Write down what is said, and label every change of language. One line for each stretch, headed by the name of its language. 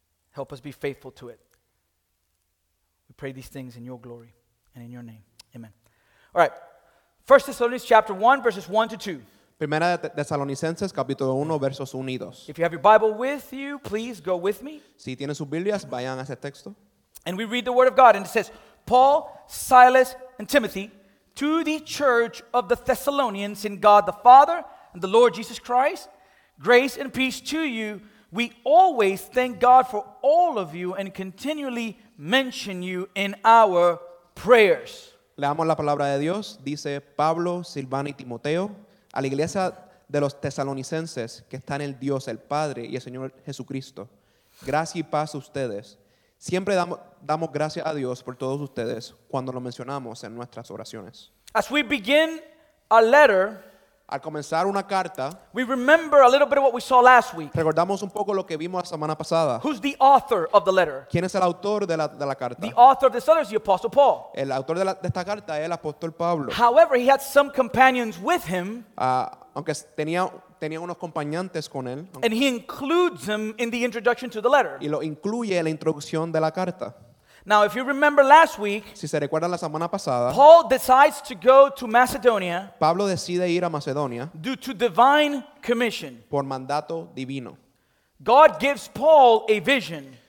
English: Help us be faithful to it. We pray these things in your glory and in your name. Amen. All right. 1 Thessalonians chapter 1, verses 1 to 2.
Spanish: Primera de Tesalonicenses, capítulo 1, versos 1 y 2.
English: If you have your Bible with you, please go with me.
Spanish: Si tienen sus Biblias, vayan a ese texto.
English: And we read the word of God, and it says, Paul, Silas, and Timothy, to the church of the Thessalonians in God the Father and the Lord Jesus Christ, grace and peace to you. We always thank God for all of you and continually mention you in our prayers.
Spanish: Leamos la palabra de Dios. Dice Pablo, Silvano y Timoteo, a la iglesia de los Tesalonicenses que está en el Dios, el Padre y el Señor Jesucristo. Gracia y paz a ustedes. Siempre damos gracias a Dios por todos ustedes cuando lo mencionamos en nuestras oraciones.
English: As we begin a letter,
Spanish: al comenzar una carta,
English: we remember a little bit of what we saw last week.
Spanish: Recordamos un poco lo que vimos la semana pasada.
English: Who's the author of the letter?
Spanish: ¿Quién es el autor de la carta?
English: The author of this letter is the Apostle Paul.
Spanish: El autor de esta carta es el Apóstol Pablo.
English: However, he had some companions with him.
Spanish: Aunque tenía unos acompañantes con él.
English: And he includes them in the introduction to the letter.
Spanish: Y lo incluye en la introducción de la carta.
English: Now, if you remember last week,
Spanish: si se recuerdan la semana pasada,
English: Paul decides to go to Macedonia.
Spanish: Pablo decide ir a Macedonia
English: due to divine commission.
Spanish: Por mandato divino.
English: God gives Paul a vision.